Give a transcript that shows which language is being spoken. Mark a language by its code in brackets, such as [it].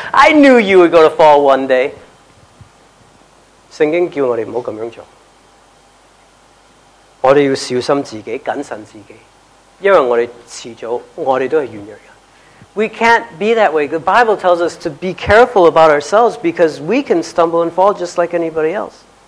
[en] I knew you were going to fall one day. [zh] 聖經叫我們不要這樣做。我們要小心自己,謹慎自己,因為我們遲早,我們都是軟弱人。 [en] We can't be that way. The Bible tells us to be careful about ourselves because we can stumble and fall just like anybody else.